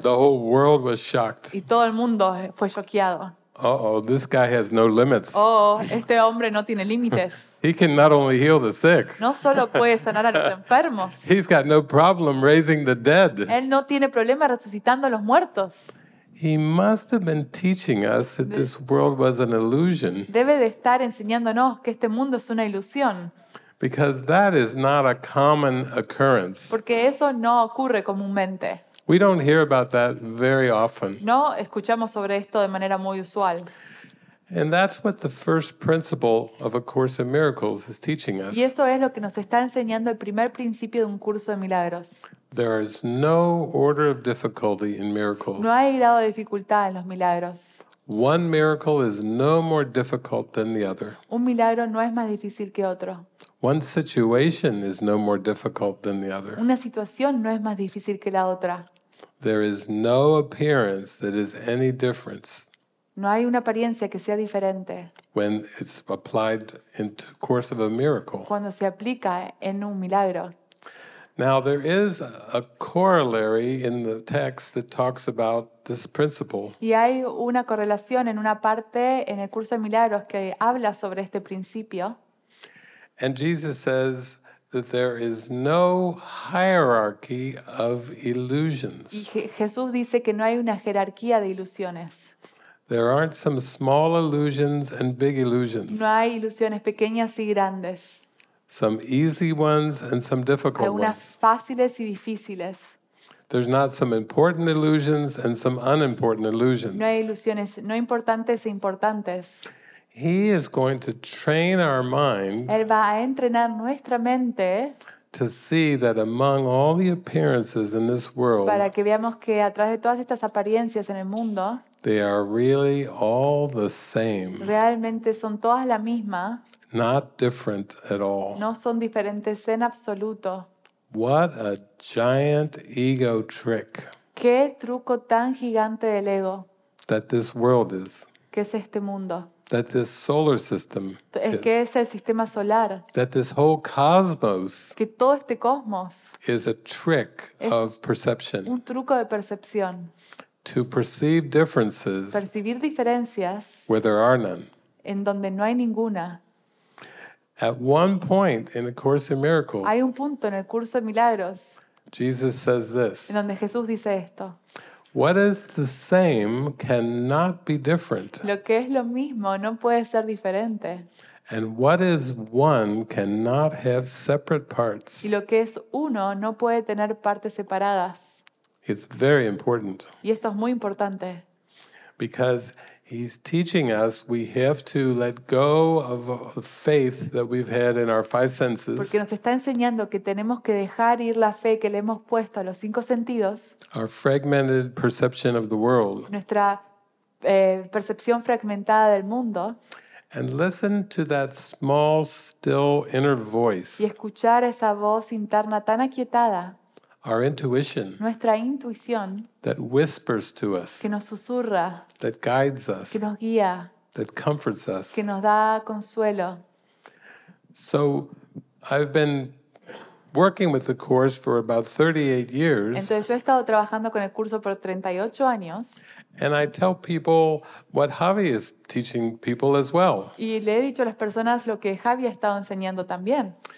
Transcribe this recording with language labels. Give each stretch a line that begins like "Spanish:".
English: The whole world was shocked.
Spanish: Y todo el mundo fue choqueado.
English: Uh-oh, this guy has no limits.
Spanish: Oh, este hombre no tiene límites.
English: He can not only heal the sick.
Spanish: No solo puede sanar a los enfermos.
English: He's got no problem raising the dead.
Spanish: Él no tiene problema resucitando a los muertos.
English: He must have been teaching us that this world was an illusion.
Spanish: Debe de estar enseñándonos que este mundo es una ilusión.
English: Because that is not a common occurrence.
Spanish: Porque eso no ocurre comúnmente.
English: We don't hear about that very often.
Spanish: No escuchamos sobre esto de manera muy usual.
English: And that's what the first principle of A Course in Miracles is teaching us.
Spanish: Y eso es lo que nos está enseñando el primer principio de un curso de milagros.
English: There is no order of difficulty in miracles.
Spanish: No hay grado de dificultad en los milagros.
English: One miracle is no more difficult than the other.
Spanish: Un milagro no es más difícil que otro.
English: One situation is no more difficult than the other.
Spanish: Una situación no es más difícil que la otra.
English: There is no appearance that is any difference.
Spanish: No hay una apariencia que sea diferente.
English: When it's applied in the course of a miracle.
Spanish: Cuando se aplica en un milagro.
English: Now there is a corollary in the text that talks about this principle.
Spanish: Y hay una correlación en una parte en el curso de milagros que habla sobre este principio.
English: And Jesus says that there is no hierarchy of illusions.
Spanish: Y Jesús dice que no hay una jerarquía de ilusiones.
English: There aren't some small illusions and big illusions.
Spanish: No hay ilusiones pequeñas y grandes.
English: Some easy ones and some difficult
Spanish: ones. Algunas fáciles y difíciles.
English: There's not some important illusions and some unimportant illusions.
Spanish: No hay ilusiones no importantes e importantes.
English: He is going to train our mind.
Spanish: Él va a entrenar nuestra mente.
English: To see that among all the appearances in this world.
Spanish: Para que veamos que a través de todas estas apariencias en el mundo.
English: They are really all the same.
Spanish: Realmente son todas la misma.
English: Not different at all.
Spanish: No son diferentes en absoluto.
English: What a giant ego trick.
Spanish: Qué truco tan gigante del ego.
English: That this world is.
Spanish: Que es este mundo.
English: That this solar system.
Spanish: Es que es el sistema solar.
English: That this whole cosmos.
Spanish: Que todo este cosmos.
English: Is a trick of perception.
Spanish: Un truco de percepción.
English: To perceive differences.
Spanish: Percibir diferencias.
English: Where there are none.
Spanish: En donde no hay ninguna.
English: At one point in the Course in Miracles.
Spanish: Hay un punto en el curso de milagros.
English: Jesus says this.
Spanish: En donde Jesús dice esto.
English: What is the same cannot be different.
Spanish: Lo que es lo mismo no puede ser diferente.
English: And what is one cannot have separate parts.
Spanish: Y lo que es uno no puede tener partes separadas.
English: It's very important.
Spanish: Y esto es muy importante.
English: Because he's teaching us we have to let go of the faith that we've had in our five senses.
Spanish: Porque nos está enseñando que tenemos que dejar ir la fe que le hemos puesto a los cinco sentidos.
English: Our fragmented perception of the world.
Spanish: Nuestra percepción fragmentada del mundo.
English: And listen to that small, still inner voice.
Spanish: Y escuchar esa voz interna tan aquietada.
English: Our intuition.
Spanish: Nuestra intuición.
English: That whispers to us.
Spanish: Que nos susurra.
English: That guides us.
Spanish: Que nos guía.
English: That comforts us.
Spanish: Que nos da consuelo.
English: So, I've been working with the course for about 38 years.
Spanish: Entonces yo he estado trabajando con el curso por 38 años.
English: And I tell people what Javi is teaching people as well.
Spanish: Y le he dicho a las personas lo que Javi ha estado enseñando también.